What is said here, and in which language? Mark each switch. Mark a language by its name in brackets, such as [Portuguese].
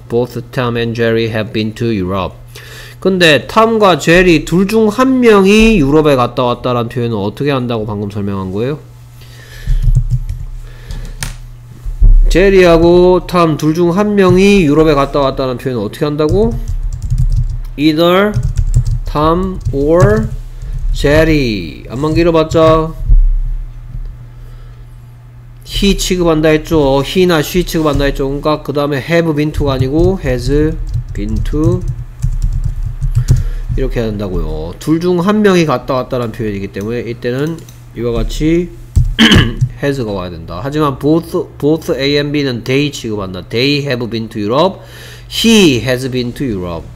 [English] Both Tom and Jerry have been to Europe. [Korean] 근데 Tom과 Jerry 둘 중 한 명이 유럽에 갔다 왔다라는 표현은 어떻게 한다고 방금 설명한 거예요? Jerry하고 Tom 둘 중 한 명이 유럽에 갔다 왔다라는 표현은 어떻게 한다고? [English] Either Tom or Jerry. [Korean] 안만 길어봤자 he 취급한다 했죠. he나 she 취급한다 했죠. 그러니까 그 다음에 [English] have been to [Korean] 가 아니고 [English] has been to [Korean] 이렇게 해야 된다고요. 둘 중 한 명이 갔다 왔다라는 표현이기 때문에 이때는 이와 같이 has가 와야 된다. 하지만 [English] both A and B [Korean] 는 they 취급한다. [English] they have been to Europe, he has been to Europe.